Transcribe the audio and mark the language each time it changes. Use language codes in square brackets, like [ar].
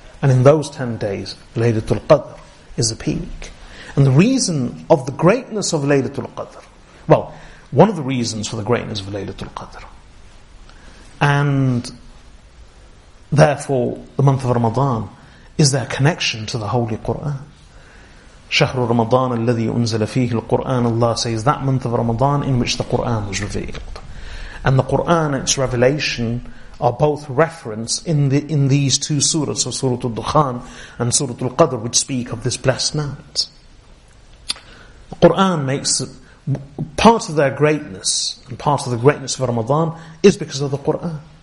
[en] And in those 10 days, Laylatul Qadr is the peak. And the reason of the greatness of Laylatul Qadr, well, one of the reasons for the greatness of Laylatul Qadr, and therefore, the month of Ramadan is their connection to the Holy Quran. [ar] شهر رمضان الذي أنزل فيه القرآن. [en] Allah says that month of Ramadan in which the Quran was revealed, and the Quran and its revelation are both referenced in these two surahs, so Surah Al-Dukhan and Surah Al-Qadr, which speak of this blessed night. The Quran makes part of their greatness, and part of the greatness of Ramadan is because of the Quran.